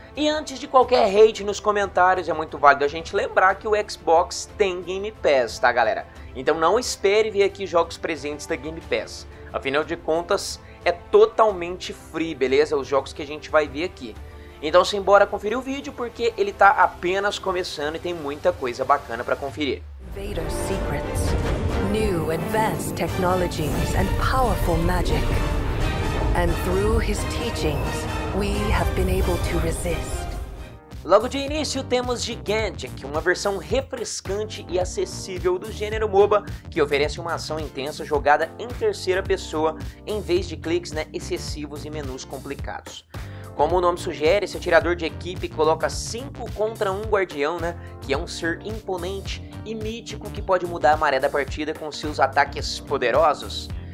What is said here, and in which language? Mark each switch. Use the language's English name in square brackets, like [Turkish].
[Portuguese] E antes de qualquer hate nos comentários, é muito válido a gente lembrar que o Xbox tem Game Pass, tá, galera? Então não espere ver aqui jogos presentes da Game Pass. Afinal de contas, é totalmente free, beleza? Os jogos que a gente vai ver aqui. Então simbora conferir o vídeo, porque ele tá apenas começando e tem muita coisa bacana pra conferir. [English] Invader Secrets. New advanced technologies and powerful magic. And through his teachings, we have been able to resist. [Portuguese] Logo de início temos Gigantic, uma versão refrescante e acessível do gênero MOBA, que oferece uma ação intensa jogada em terceira pessoa, em vez de cliques, né, excessivos e menus complicados. Como o nome sugere, esse atirador de equipe coloca 5 contra 1 guardião, né, que é um ser imponente e mítico que pode mudar a maré da partida com seus ataques poderosos.